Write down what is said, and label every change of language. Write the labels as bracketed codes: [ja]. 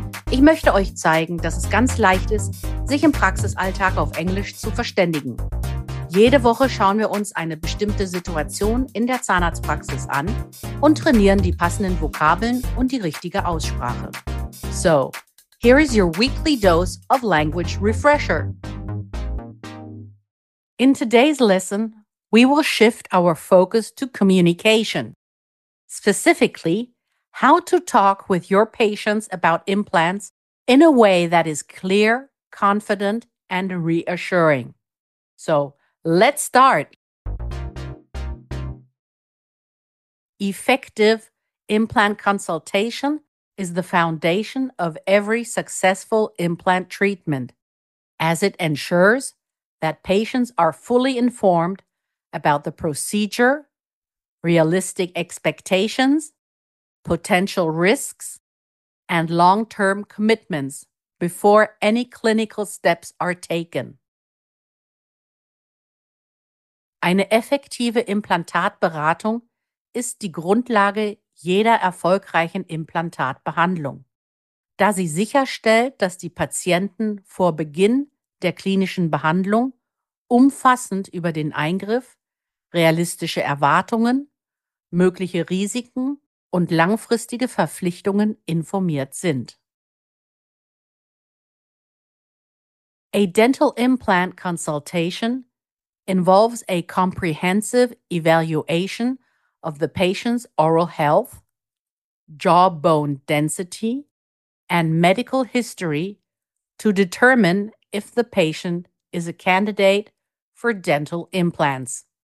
[de] Ich möchte euch zeigen, dass es ganz leicht ist, sich im Praxisalltag auf Englisch zu verständigen. Jede Woche schauen wir uns eine bestimmte Situation in der Zahnarztpraxis an und trainieren die passenden Vokabeln und die richtige Aussprache. [en] So, here is your weekly dose of language refresher. In today's lesson, we will shift our focus to communication. Specifically, how to talk with your patients about implants in a way that is clear, confident, and reassuring. So, let's start. Effective implant consultation is the foundation of every successful implant treatment, as it ensures that patients are fully informed about the procedure, realistic expectations, potential risks, and long-term commitments before any clinical steps are taken. [de] Eine effektive Implantatberatung ist die Grundlage jeder erfolgreichen Implantatbehandlung, da sie sicherstellt, dass die Patienten vor Beginn der klinischen Behandlung umfassend über den Eingriff, realistische Erwartungen, mögliche Risiken und langfristige Verpflichtungen informiert sind. [en] A dental implant consultation involves a comprehensive evaluation of the patient's oral health, jawbone density, and medical history to determine if the patient is a candidate for dental implants.